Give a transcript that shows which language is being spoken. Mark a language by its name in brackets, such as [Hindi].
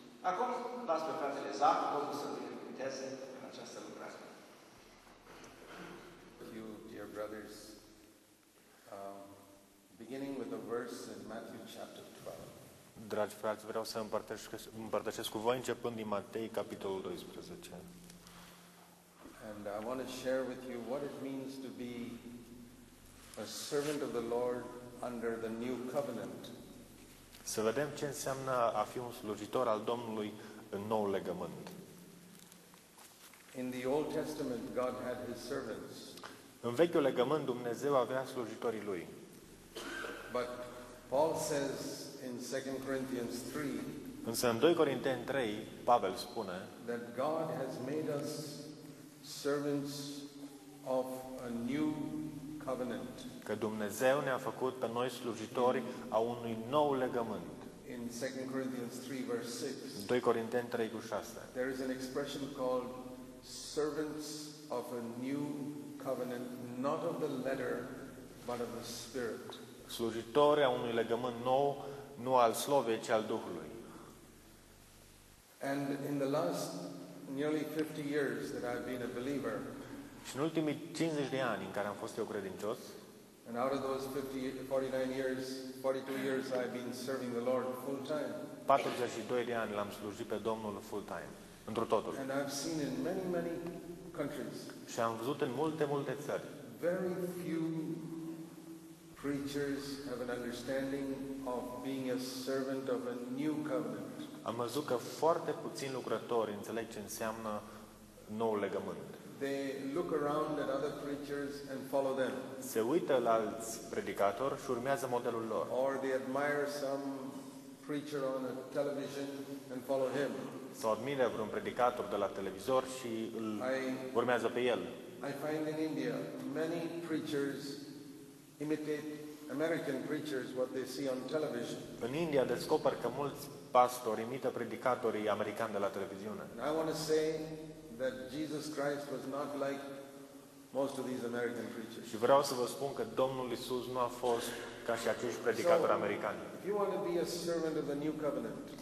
[Romanian] Acum las pe fratele Zac, Domnul să binecuvânteze în această lucrare. [English] You, dear brothers, beginning with a verse in Matthew chapter 12. [Romanian] Dragi frați, vreau să împărtășesc cu voi începând din Matei capitolul 12. [English] And I want to share with you what it means to be a servant of the Lord under the new covenant. [Romanian] Să vedem ce înseamnă a fi un slujitor al Domnului în nou legământ. [English] In the Old Testament God had his servants. [Romanian] În Vechiul Legământ Dumnezeu avea slujitorii lui. [English] But Paul says in 2 Corinthians 3, [Romanian] însă în 2 Corinteni 3, Pavel spune, [English] that God has made us servants of a new covenant. [Romanian] Că Dumnezeu ne-a făcut pe noi slujitori a unui nou legământ. [English] In 2 Corinthians 3 verse 6. [Romanian] 2 Corinteni 3 cu 6. [English] There is an expression called servants of a new covenant, not of the letter, but of the spirit. [Romanian] Slujitori a unui legământ nou, nu al slovei, ci al Duhului. [English] And in the last nearly 50 years that I've been a believer. [Romanian] Și în ultimii 50 de ani în care am fost eu credincios. [English] And out of those 42 years I've been serving the Lord full time. [Romanian] 42 de ani l-am slujit pe Domnul full time, întru totul. [English] And I've seen in many countries. [Romanian] Și am văzut în multe țări. [English] Very few preachers have an understanding of being a servant of a new covenant. [Romanian] Am văzut că foarte puțini lucrători înțeleg ce înseamnă nou legământ. [English] They look around at other preachers and follow them. [Romanian] Se uită la alți predicatori și urmează modelul lor. [English] Or they admire some preacher on a television and follow him. [Romanian] Sau admiră vreun predicator de la televizor și îl urmează pe el. [English] I find in India many preachers imitate American preachers what they see on television. [Romanian] În India descoper că mulți pastori imită predicatorii americani de la televiziune. [English] And I want to say that Jesus Christ was not like most of these American preachers. [Romanian] Și vreau să vă spun că Domnul Iisus nu a fost ca și acești predicatori americani. [English] If you want to be a servant of the new covenant.